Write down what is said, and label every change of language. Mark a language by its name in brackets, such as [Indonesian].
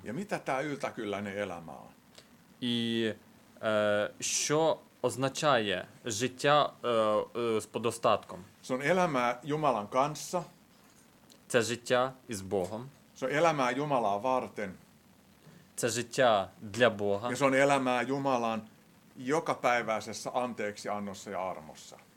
[Finnish] Ja mitä tää yltäkylläinen elämä on? [Ukrainian] І що означає життя з подостатком? [Finnish] Se on elämää Jumalan kanssa. [Ukrainian] Це життя із Богом. [Finnish] Se on elämää Jumalaa varten. [Ukrainian] Це життя для Бога. [Finnish] Ja se on elämää Jumalan jokapäiväisessä anteeksiannossa ja armossa.